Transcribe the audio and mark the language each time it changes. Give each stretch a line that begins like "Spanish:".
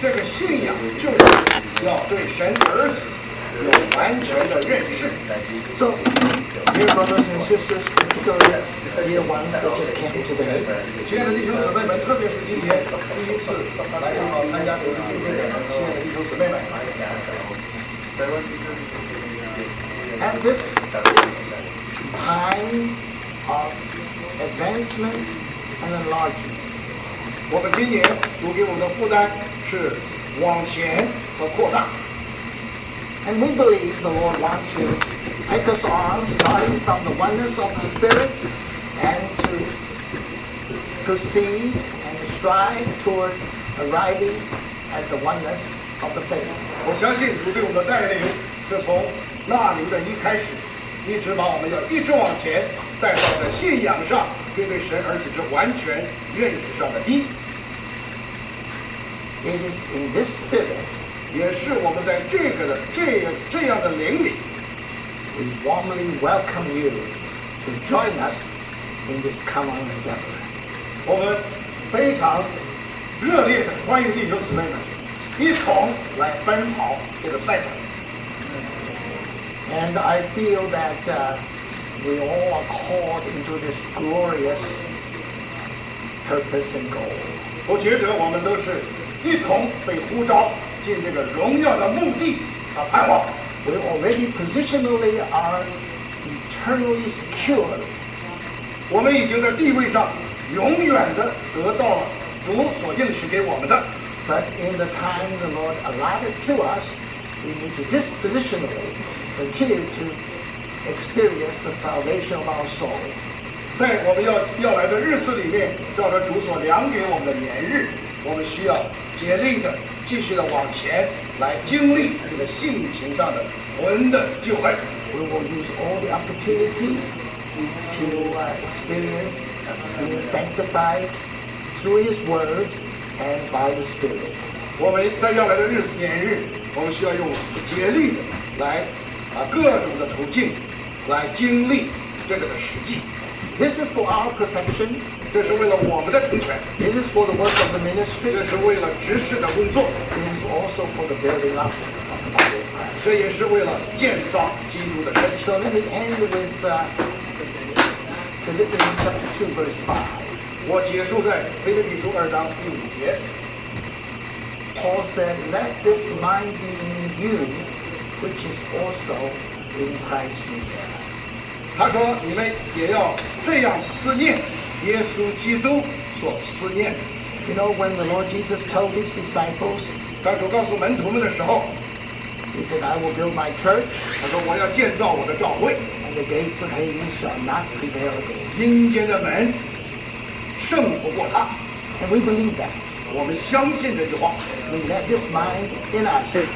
Chinese: 这个信仰就是要对神儿子有完全的认识。
English: So, dear brothers and sisters, particularly the dear ones that just came today.
Chinese: 亲爱的弟兄姊妹们，特别是今天第一次来参加读经聚会的亲爱的弟兄姊妹们。
English: At this time of advancement and enlargement,
Chinese: 我们今年主给我们的负担是往前和扩大。
English: And we believe the Lord wants to take us on, starting from the oneness of the Spirit, and to proceed and strive toward arriving at the oneness of the faith.
Chinese: 我相信主对我们的带领是从那里的一开始，一直把我们要一直往前带到的信仰上，并对神儿子之完全认识上的一。
English: It is in this spirit.
Chinese: 也是我们在这个的这样的灵里
English: ，We warmly welcome you to join us in this common endeavor。
Chinese: 我们非常热烈的欢迎弟兄姊妹们一同来奔跑这个赛场。
English: And I feel that we all are called into this glorious purpose and goal。
Chinese: 我觉得我们都是一同被呼召。进这个荣耀的目的和盼望。
English: We already positionally are eternally secure。
Chinese: 我们已经在地位上永远的得到了主所应许给我们的。
English: But in the time the Lord allotted to us, we need to dispositionally continue to experience the salvation of our soul。
Chinese: 在我们要来的日子里面，照着主所量给我们的年日，我们需要竭力的。继续的往前来经历这个性情上的魂的机会。
English: We will use all the opportunities to experience being sanctified through His Word and by the Spirit。
Chinese: 我们在要来的日子年日，我们需要用竭力的来各种的途径来经历这个的实际。
English: This is for our perfection。
Chinese: 这是为了我们的成全。
English: It is for the work of the ministry。
Chinese: 这是为了执事的工作。
English: It is also for the building up of the body。
Chinese: 这也是为了建造基督的身体。
English: So let me end with Philippians chapter 2 verse 5。
Chinese: 我结束在腓立比书二章第五节。
English: Paul said, "Let this mind be in you, which is also in Christ Jesus."
Chinese: 他说你们也要这样思念耶稣基督所思念。
English: You know when the Lord Jesus told his disciples，
Chinese: 当主告诉门徒们的时候，
English: He said I will build my church，
Chinese: 他说我要建造我的教会。
English: And the gates of Hades shall not prevail against，
Chinese: 阴间的门胜不过他。
English: And we believe that，
Chinese: 我们相信这句话。
English: We let this mind in us，